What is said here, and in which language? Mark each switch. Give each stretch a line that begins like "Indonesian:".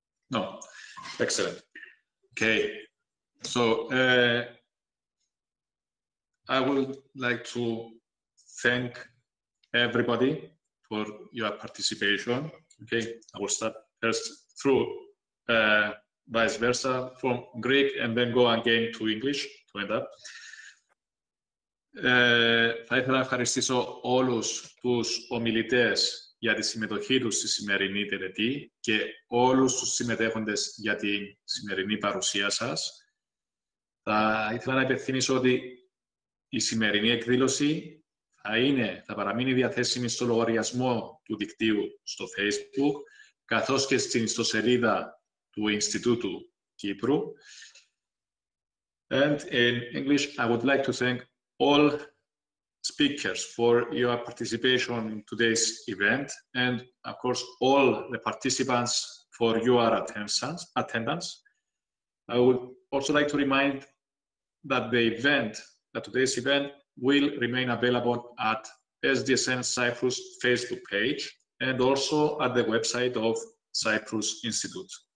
English: No, excellent. Okay, so I would like to thank everybody for your participation. Okay, I will start first through vice versa from Greek, and then go again to English to end up.
Greek: Θα ήθελα να ευχαριστήσω όλους τους ομιλητές για τη συμμετοχή τους στη σημερινή τελετή και όλους τους συμμετέχοντες για τη σημερινή παρουσία σας. Θα ήθελα να υπενθυμίσω ότι η σημερινή εκδήλωση θα παραμείνει διαθέσιμη στο λογαριασμό του δικτύου στο Facebook, καθώς και στην ιστοσελίδα του Ινστιτούτου Κύπρου.
English: And in English, I would like to thank all speakers for your participation in today's event, and of course all the participants for your attendance. I would also like to remind that today's event will remain available at SDSN Cyprus Facebook page and also at the website of Cyprus Institute.